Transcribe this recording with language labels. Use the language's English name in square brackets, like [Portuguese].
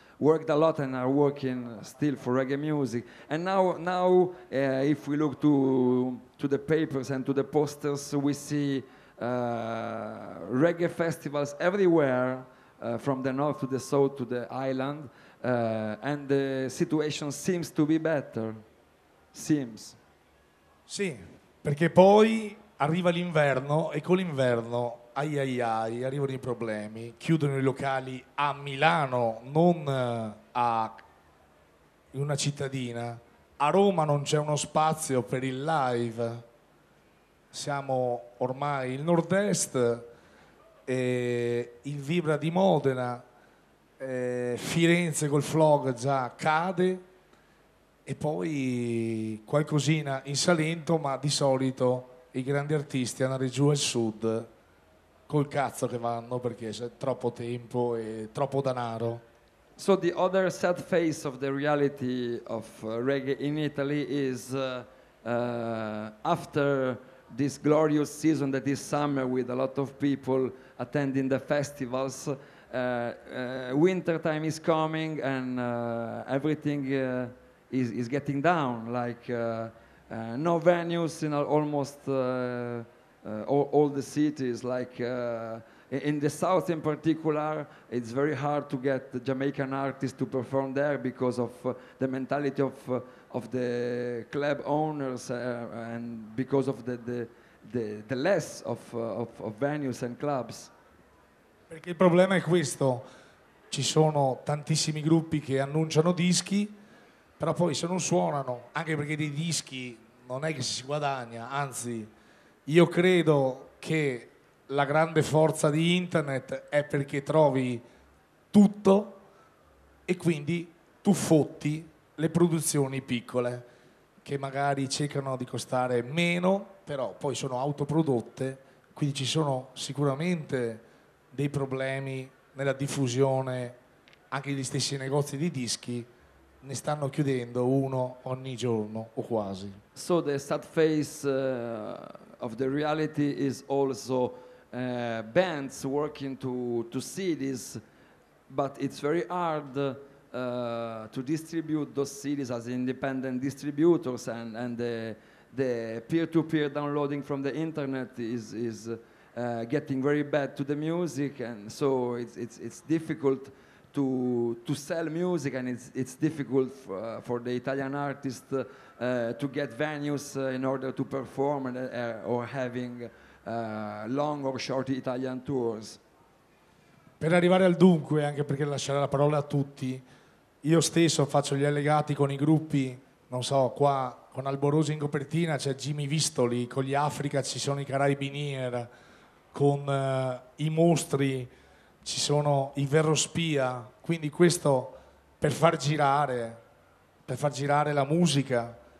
[English] worked a lot and are working still for reggae music. And now if we look to the papers and to the posters, we see reggae festivals everywhere, from the north to the south to the island, and the situation seems to be better. Seems. [Italian] Sì, perché poi arriva l'inverno e con l'inverno, ai ai ai, arrivano i problemi, chiudono i locali a Milano, non a una cittadina. A Roma non c'è uno spazio per il live. Siamo ormai il nord-est, il Vibra di Modena, Firenze col Flog già cade, e poi qualcosina in Salento, ma di solito i grandi artisti andare giù al sud col cazzo che vanno, perché c'è troppo tempo e troppo denaro. [English] So the other sad face of the reality of reggae in Italy is after this glorious season that is summer with a lot of people attending the festivals, winter time is coming and everything is getting down, like no venues in almost all the cities, like in the south in particular, it's very hard to get the Jamaican artists to perform there because of the mentality of the club owners, and because of the less of venues and clubs. [Italian] Perché il problema è questo: ci sono tantissimi gruppi che annunciano dischi, però poi se non suonano, anche perché dei dischi non è che si guadagna, anzi, io credo che la grande forza di internet è perché trovi tutto e quindi tu fotti le produzioni piccole, che magari cercano di costare meno, però poi sono autoprodotte, quindi ci sono sicuramente dei problemi nella diffusione, anche gli stessi negozi di dischi ne stanno chiudendo uno ogni giorno o quasi. [English] So the sad face of the reality is also bands working to cities, but it's very hard to distribute those cities as independent distributors, and the peer-to-peer downloading from the internet is getting very bad to the music, and so it's difficult to sell music, and it's difficult for the Italian artist to get venues in order to perform or having long or short Italian tours. [Italian] Per arrivare al dunque, anche perché lasciare la parola a tutti, io stesso faccio gli allegati con i gruppi, non so, qua con Alborosi in copertina c'è Jimmy Vistoli, con gli Africa ci sono i Carabinier, con i Mostri ci sono i Verrospia, quindi questo per far girare la musica.